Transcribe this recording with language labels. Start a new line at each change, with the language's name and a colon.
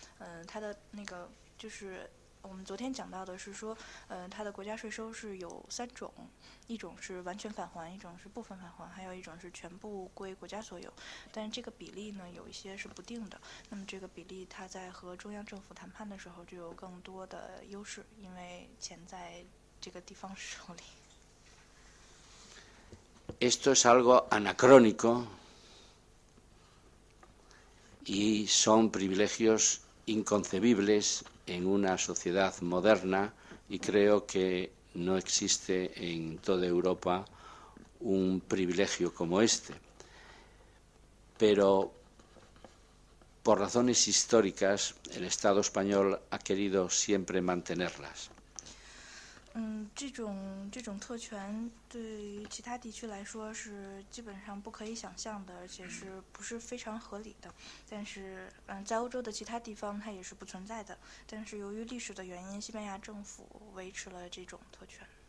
Chinese: 因为刚才我们提到了，就是在纳瓦拉省和巴斯克地区，他们的这个税收三级税收都是由这个地区政府来进行的，也就是说，那个包括国家的那个税收都是由他们来收取的。那么在这个税收收取完了之后，属于国家的那部分呢，它的那个就是。我们昨天讲到的是说，它的国家税收是有三种，一种是完全返还，一种是部分返还，还有一种是全部归国家所有。但是这个比例呢，有一些是不定的。那么这个比例它在和中央政府谈判的时候就有更多的优势，因为钱在这个地方手里。
Spanish: Esto es algo anacrónico y son privilegios inconcebibles en una sociedad moderna y creo que no existe en toda Europa un privilegio como este. Pero por razones históricas el Estado español ha querido siempre mantenerlas.
Chinese: 这种特权对于其他地区来说是基本上不可以想象的，而且是不是非常合理的。但是，在欧洲的其他地方它也是不存在的。但是由于历史的原因，西班牙政府维持了这种特权。